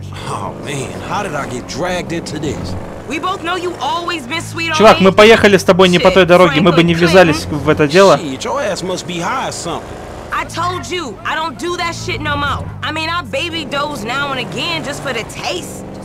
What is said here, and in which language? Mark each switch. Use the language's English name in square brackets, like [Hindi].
[English] Oh man, how did I get dragged into this? We both know you always been sweet on. [Russian] Чувак, мы поехали с тобой не по той дороге, мы бы не ввязались в это дело. [English] Your ass must be high or something. I told you, I don't do that shit no more. I mean, I baby doze now and again just for the taste.